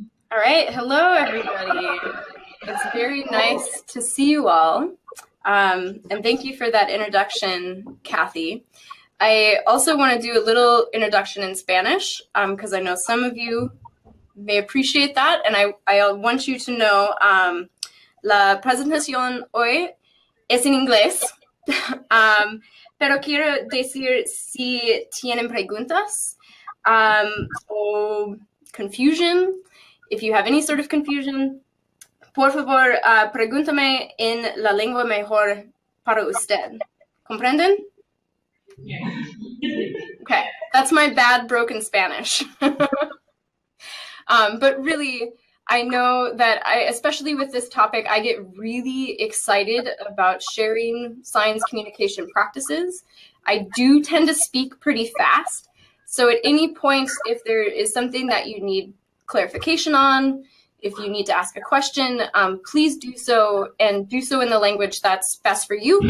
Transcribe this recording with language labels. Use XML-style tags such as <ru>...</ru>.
<en>All right, hello, everybody. It's very nice to see you all. And thank you for that introduction, Kathy. I also want to do a little introduction in Spanish, because I know some of you may appreciate that. And I want you to know,</en> <es>la presentación hoy es en inglés. pero quiero decir si tienen preguntas</es> <en>or confusion, if you have any sort of confusion.</en> <es>Por favor, pregúntame en la lengua mejor para usted. ¿Comprenden?</es> <en>Yeah. Okay, that's my bad, broken Spanish. but really, I know that I, especially with this topic, I get really excited about sharing science communication practices. I do tend to speak pretty fast. So at any point, if there is something that you need clarification on, if you need to ask a question, please do so, and do so in the language that's best for you.</en>